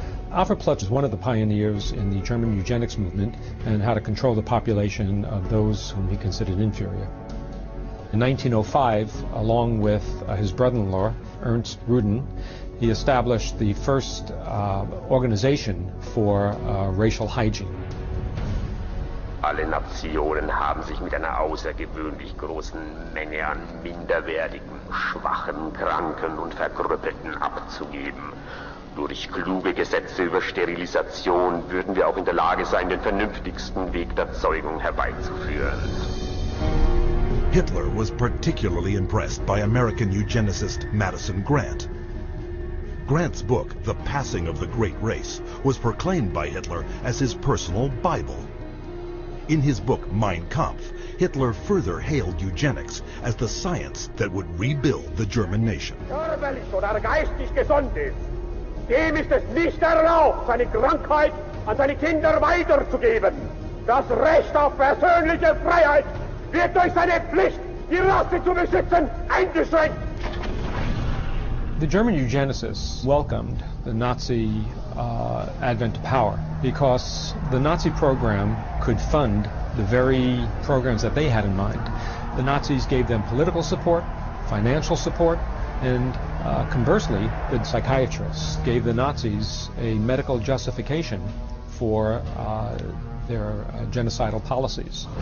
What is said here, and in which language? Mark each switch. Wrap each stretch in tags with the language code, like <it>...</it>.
<en>Alfred Plutz was one of the pioneers in the German eugenics movement and how to control the population of those whom he considered inferior. In 1905, along with his brother-in-law, Ernst Rudin, he established the first organization for racial hygiene.</en> <de>Alle Nationen haben sich mit einer außergewöhnlich großen Menge an minderwertigen, schwachen, kranken und verkrüppelten abzugeben. Durch kluge Gesetze über Sterilisation würden wir auch in der Lage sein, den vernünftigsten Weg der Zeugung herbeizuführen.</de> <en>Hitler was particularly impressed by American eugenicist Madison Grant. Grant's book, The Passing of the Great Race, was proclaimed by Hitler as his personal Bible. In his book, Mein Kampf, Hitler further hailed eugenics as the science that would rebuild the German nation.</en> <de>Körperlich oder geistig gesund ist, dem ist es nicht erlaubt, seine Krankheit an seine Kinder weiterzugeben. Das Recht auf persönliche Freiheit wird durch seine Pflicht, die Rasse zu besitzen, eingeschränkt.</de> <en>The German eugenicists welcomed the Nazi advent to power because the Nazi program could fund the very programs that they had in mind. The Nazis gave them political support, financial support, and conversely, the psychiatrists gave the Nazis a medical justification for their genocidal policies.</en>